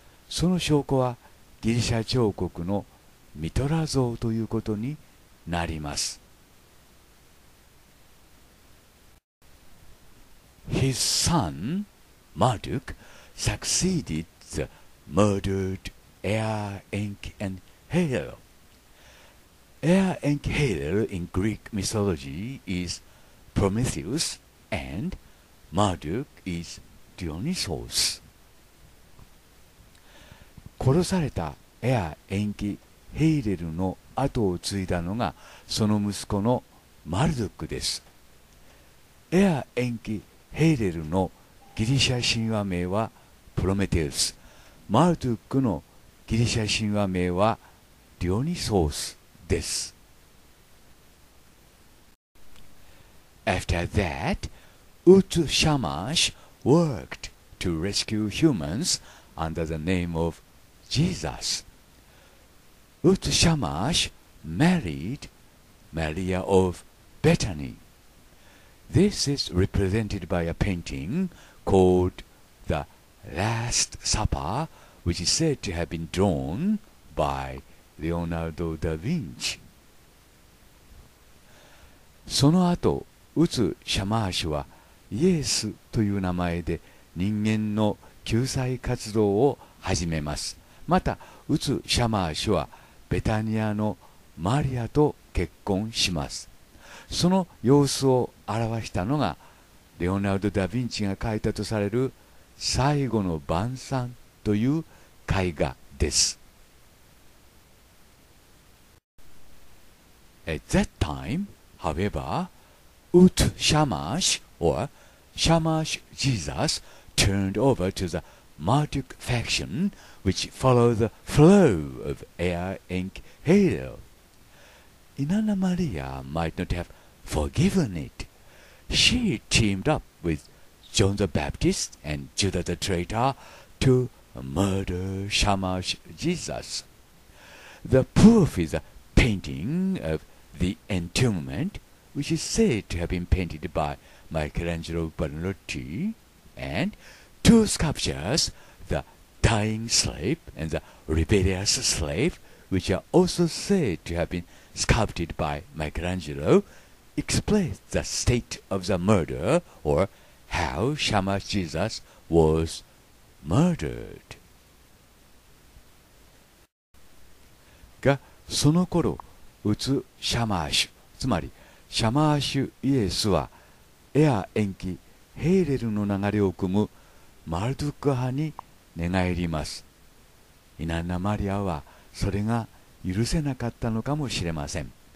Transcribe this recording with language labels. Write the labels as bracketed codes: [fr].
[ja] その証拠はギリシャ彫刻のミトラ像ということになります。 [en] His son, Marduk, succeeded the murdered Ea Enki and Hale. Ea Enki Hale in Greek mythology is Prometheus and Marduk is Dionysus. [ja] 殺されたエア・エンキ・ヘイレルの後を継いだのがその息子のマルドックです。エア・エンキ・ヘイレルのギリシャ神話名はプロメテウス、マルドックのギリシャ神話名はディオニソースです。 [en] After that, Ut Shamash worked to rescue humans under the name of Jesus. Ut Shamash married Maria of Bethany. This is represented by a painting called The Last Supper, which is said to have been drawn by Leonardo da Vinci. [ja] その後、ウツ・シャマーシュはイエスという名前で人間の救済活動を始めます。また、ウツ・シャマーシュはベタニアのマリアと結婚します。その様子を表したのがレオナルド・ダ・ヴィンチが描いたとされる最後の晩餐という絵画です。 [en] At that time, however, Ut Shamash or Shamash Jesus turned over to the Marduk faction which followed the flow of Ea Enki Hale. Inanna Maria might not haveForgiven it. She teamed up with John the Baptist and Judas the traitor to murder Shamash Jesus. The proof is a painting of the entombment, which is said to have been painted by Michelangelo Buonarroti, and two sculptures, the dying slave and the rebellious slave, which are also said to have been sculpted by Michelangelo. Explain the state of the murder or how Shamash Jesus was murdered. [ja] が、その頃、ウツ・シャマーシュ、つまりシャマーシュ・イエスは、エア・エンキ・ヘイレルの流れを組むマルドック派に寝返ります。イナンナ・マリアはそれが許せなかったのかもしれません。